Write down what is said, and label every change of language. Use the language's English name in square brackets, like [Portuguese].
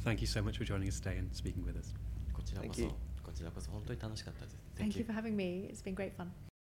[English] Thank you so much for joining us today and speaking with us. [Japanese] こちらこそ、本当に楽しかったです。 [English] Thank you for having me. It's been great fun.